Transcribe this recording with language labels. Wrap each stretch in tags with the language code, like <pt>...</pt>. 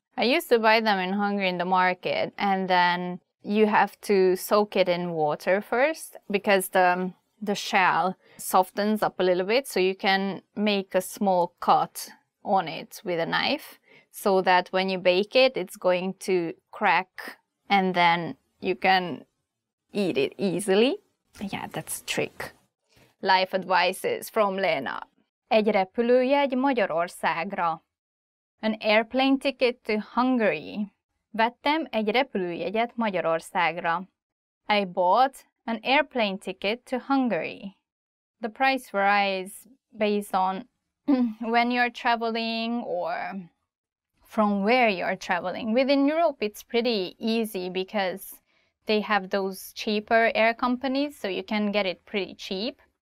<en>I used to buy them in Hungary in the market, and then you have to soak it in water first because the shell softens up a little bit, so you can make a small cut on it with a knife so that when you bake it, it's going to crack and then you can eat it easily. Yeah, that's a trick. Life advices from Lena.</en> <hu>Egy repülőjegy Magyarországra.</hu> <en>An airplane ticket to Hungary.</en> <hu>Vettem egy repülőjegyet Magyarországra.</hu> <en>I bought an airplane ticket to Hungary. The price varies based on when you're traveling or from where you're traveling. Within Europe, it's pretty easy because they have those cheaper air companies, so you can get it pretty cheap.</en>